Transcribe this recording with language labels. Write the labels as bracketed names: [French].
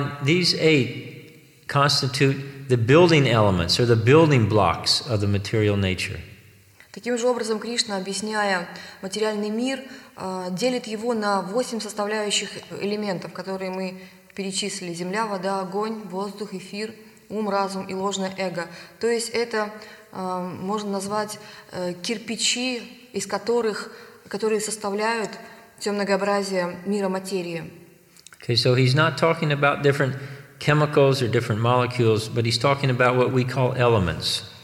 [English] These eight constitute the building elements or the building blocks of the material nature. [Russian] Таким же образом Кришна, объясняя материальный мир, делит его на 8 составляющих элементов, которые мы перечислили: земля, вода, огонь, воздух, эфир, ум, разум и ложное эго. То есть это можно назвать кирпичи, из которых, которые составляют все многообразие мира материи. [English] Okay, so he's not talking about different chemicals or different molecules, but he's talking about what we call elements.